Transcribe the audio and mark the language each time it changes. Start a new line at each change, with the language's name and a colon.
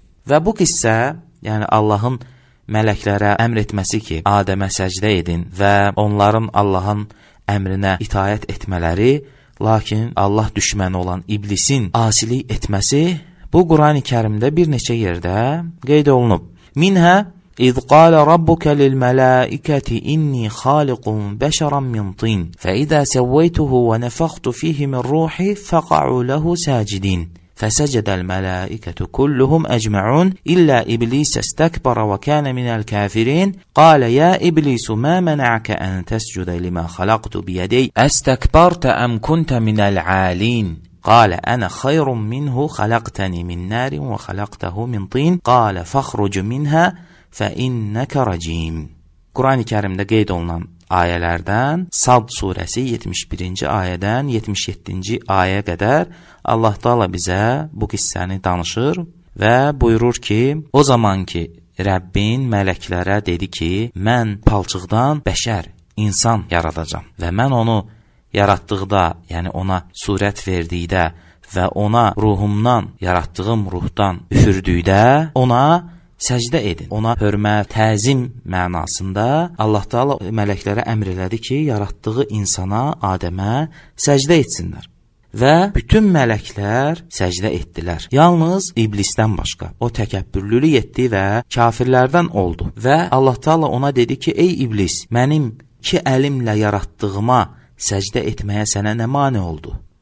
Azerbaijani: Və bu qissə, yəni Allahın mələklərə əmr etməsi ki, Adəmə səcdə edin və onların Allahın əmrinə itayət etmələri, lakin Allah düşməni olan iblisin asili etməsi, bu Qurani-Kərimdə bir neçə yerdə qeyd olunub. Minhə
Arabic: إذ قال ربك للملائكة إني خالق بشرا من طين فإذا سويته ونفخت فيه من روحي فقعوا له ساجدين فسجد الملائكة كلهم أجمعون إلا إبليس استكبر وكان من الكافرين قال يا إبليس ما منعك أن تسجد لما خلقت بيدي أستكبرت أم كنت من العالين قال أنا خير منه خلقتني من نار وخلقته من طين قال فاخرج منها فإنك رجيم
Azerbaijani: قرآن الكريم دا قيد olunan ayələrdən Sad surəsi 71-ci ayədən 77-ci ayə qədər Allah Taala bizə bu qissəni danışır və buyurur ki, o zaman ki Rəbbin mələklərə dedi ki, mən palçıqdan bəşər, insan yaradacam və mən onu yaratdıqda, yəni ona surət verdikdə və ona ruhumdan, yaratdığım ruhdan üfürdükdə ona səcdə edin. Ona hörmət, təzim mənasında Allah Taala mələklərə əmr elədi ki, yaratdığı insana, Adəmə səcdə etsinlər. Və bütün mələklər səcdə etdilər. Yalnız iblisdən başqa. O təkəbbürlülük etdi və kafirlərdən oldu. Və Allah Taala ona dedi ki, ey iblis, mənim iki əlimlə yaratdığıma səcdə etməyə sənə nə mane oldu?